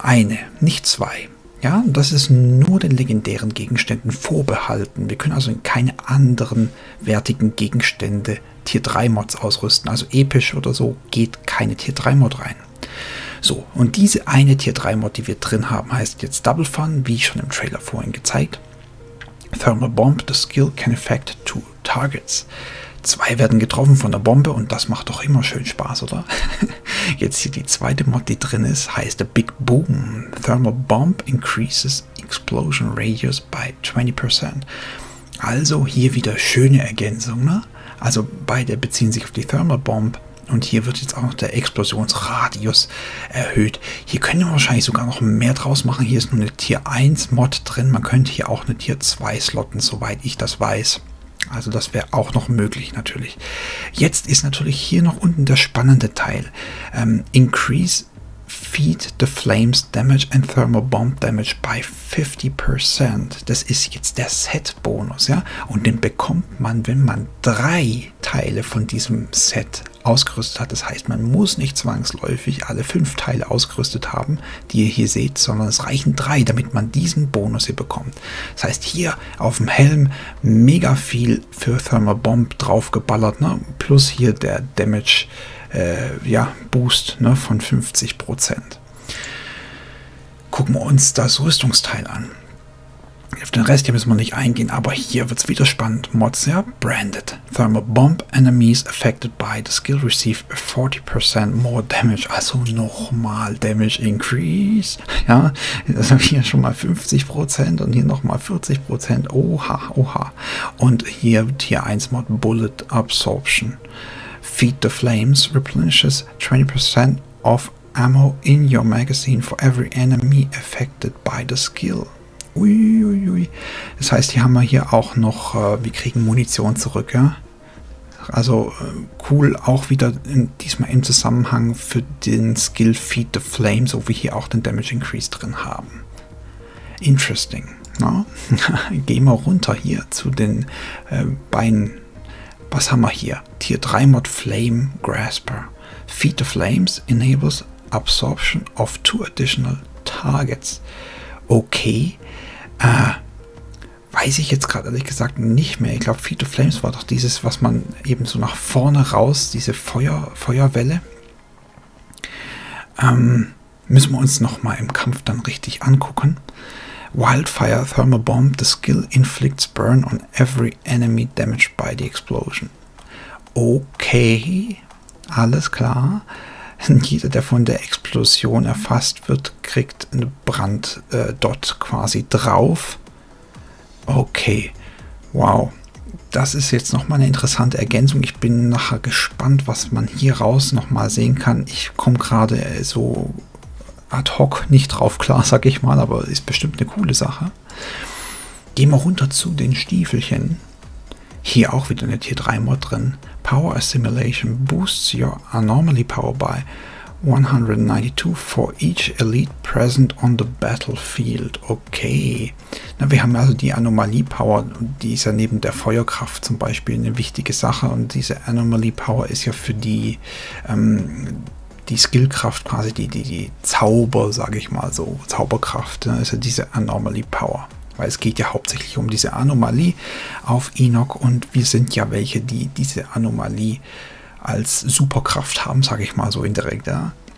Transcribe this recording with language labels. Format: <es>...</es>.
<de>Eine, nicht zwei. Ja, das ist nur den legendären Gegenständen vorbehalten. Wir können also in keine anderen wertigen Gegenstände Tier 3 Mods ausrüsten. Also episch oder so geht keine Tier 3 Mod rein. So, und diese eine Tier 3 Mod, die wir drin haben, heißt jetzt Double Fun, wie schon im Trailer vorhin gezeigt.</de> <en>Thermal Bomb, the skill can affect two targets.</en> <de>Zwei werden getroffen von der Bombe und das macht doch immer schön Spaß, oder? Jetzt hier die zweite Mod, die drin ist, heißt der Big Boom.</de> <en>Thermal Bomb increases explosion radius by 20%.</en> <de>Also hier wieder schöne Ergänzung, ne? Also beide beziehen sich auf die Thermal Bomb. Und hier wird jetzt auch noch der Explosionsradius erhöht. Hier könnte man wahrscheinlich sogar noch mehr draus machen. Hier ist nur eine Tier 1 Mod drin. Man könnte hier auch eine Tier 2 slotten, soweit ich das weiß. Also das wäre auch noch möglich natürlich. Jetzt ist natürlich hier noch unten der spannende Teil.</de> <en>Increase Feed the Flames Damage and Thermal Bomb Damage by 50%.</en> <de>Das ist jetzt der Set-Bonus, ja? Und den bekommt man, wenn man drei Teile von diesem Set ausgerüstet hat. Das heißt, man muss nicht zwangsläufig alle fünf Teile ausgerüstet haben, die ihr hier seht, sondern es reichen drei, damit man diesen Bonus hier bekommt. Das heißt, hier auf dem Helm mega viel für Thermal Bomb draufgeballert, ne? Plus hier der Damage. Ja, Boost, ne, von 50%. Gucken wir uns das Rüstungsteil an. Auf den Rest hier müssen wir nicht eingehen, aber hier wird es wieder spannend. Mods, ja, branded.</de> <en>Thermal Bomb Enemies affected by the skill receive 40% more damage.</en> <de>Also nochmal Damage Increase. Ja, das haben wir hier schon mal 50% und hier nochmal 40%. Oha, oha. Und hier Tier 1 Mod Bullet Absorption.</de> <en>Feed the Flames replenishes 20% of ammo in your magazine for every enemy affected by the skill. Uiuiui.</en> <de>Das heißt, hier haben wir hier auch noch, wir kriegen Munition zurück, ja. Also cool, auch wieder diesmal im Zusammenhang für den Skill Feed the Flame, so wie hier auch den Damage Increase drin haben.</de> <en>Interesting.</en> <de>Na? Gehen wir runter hier zu den Beinen. Was haben wir hier?</de> <en>Tier 3 Mod Flame Grasper. Feed the Flames enables absorption of two additional targets. Okay.</en> <de>weiß ich jetzt gerade ehrlich gesagt nicht mehr. Ich glaube, Feet of Flames war doch dieses, was man eben so nach vorne raus, diese Feuerwelle. Müssen wir uns nochmal im Kampf dann richtig angucken.</de> <en>Wildfire, Thermal Bomb, the skill inflicts burn on every enemy damaged by the explosion.</en> <de>Okay, alles klar. Jeder, der von der Explosion erfasst wird, kriegt einen Brand-Dot quasi drauf. Okay, wow. Das ist jetzt nochmal eine interessante Ergänzung. Ich bin nachher gespannt, was man hier raus nochmal sehen kann. Ich komme gerade so ad hoc nicht drauf klar, sag ich mal, aber ist bestimmt eine coole Sache. Gehen wir runter zu den Stiefelchen. Hier auch wieder eine Tier-3-Mod drin.</de> <en>Power Assimilation boosts your Anomaly Power by 192 for each Elite present on the Battlefield.</en> <de>Okay. Na, wir haben also die Anomaly Power, die ist ja neben der Feuerkraft zum Beispiel eine wichtige Sache. Und diese Anomaly Power ist ja für die, die Skillkraft quasi, die Zauber, sage ich mal so, Zauberkraft, ne? Ist ja diese Anomaly Power. Weil es geht ja hauptsächlich um diese Anomalie auf Enoch und wir sind ja welche, die diese Anomalie als Superkraft haben, sage ich mal so indirekt. Ja.</de>